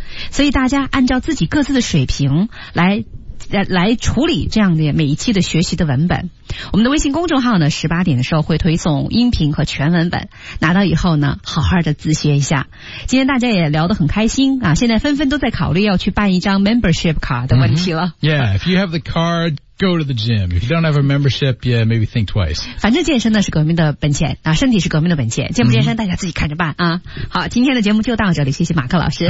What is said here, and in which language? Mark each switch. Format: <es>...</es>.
<zh>所以大家按照自己各自的水平来。来处理这样的每一期的学习的文本我们的微信公众号呢18点的时候会推送音频和全文本拿到以后呢好好的自学一下今天大家也聊得很开心啊！现在纷纷都在考虑要去办一张 membership card 的问题了、</zh> <en>mm-hmm. Yeah, if you have the card go to the gym. If you don't have a membership, yeah, maybe think twice.</en> <zh>反正健身呢是革命的本钱啊，身体是革命的本钱，健不健身大家自己看着办啊。好，今天的节目就到这里，谢谢马克老师。</zh>